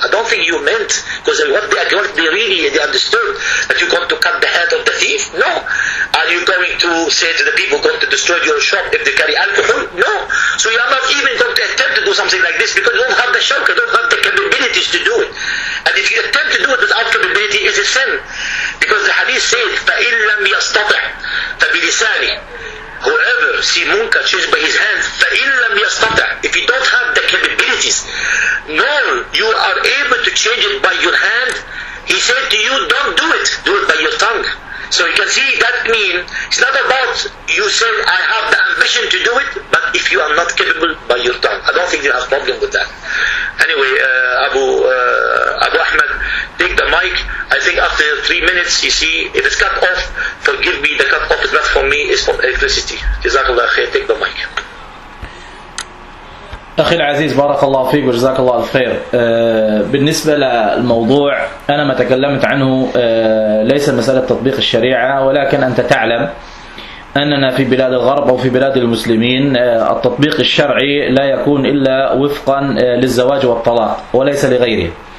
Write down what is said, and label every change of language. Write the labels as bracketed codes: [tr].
[en] I don't think you meant, because what they understood, that you're going to cut the head of the thief? No. Are you going to say to the people, going to destroy your shop if they carry alcohol? No. So you are not even going to attempt to do something like this, because you don't have the shock, you don't have the capabilities to do it. And if you attempt to do it without capability, it's a sin. Because the hadith says, فَإِن لَمْ يَسْتَطِعْ فَبِلِسَانِ. Whoever see munkar changed by his hands, فَإِن لَمْ يَسْتَطَعْ. If you don't have the capabilities, nor you are able to change it by your hand, he said to you, don't do it. Do it by your tongue. So you can see that mean, it's not about you said, I have the ambition to do it, but if you are not capable by your tongue. I don't think you have a problem with that. Anyway, Abu Ahmed, take the mic. I think after 3 minutes, you see, if it's cut off, forgive me, the cut off is not from me, it's from electricity. Jazakallah khair, take the mic. [ar] أخي العزيز بارك الله فيك وجزاك الله الخير. بالنسبة للموضوع أنا ما تكلمت عنه ليس مسألة تطبيق الشريعة، ولكن أنت تعلم أننا في بلاد الغرب أو في بلاد المسلمين التطبيق الشرعي لا يكون إلا وفقا للزواج والطلاق وليس لغيره،